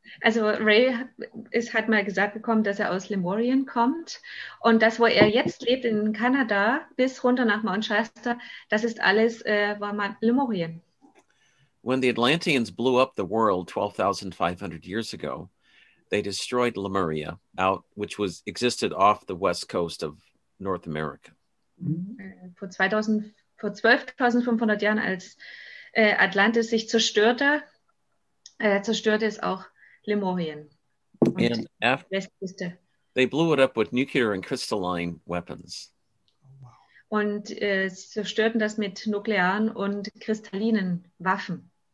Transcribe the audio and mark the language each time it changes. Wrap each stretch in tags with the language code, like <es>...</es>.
<de>Also Ray hat mal gesagt bekommen, dass er aus Lemurien kommt. Und das, wo er jetzt lebt in Kanada, bis runter nach Mount Shasta, das ist alles Lemurien.</de> <en>When the Atlanteans blew up the world 12,500 years ago, they destroyed Lemuria, which existed off the west coast of North America.</en> <de>Vor 12.500 Jahren, als Atlantis sich zerstörte es auch Lemurien. Und die Westküste.</de> <en>They blew it up with nuclear and crystalline weapons.</en> <de>Und sie zerstörten das mit nuklearen und kristallinen Waffen.</de>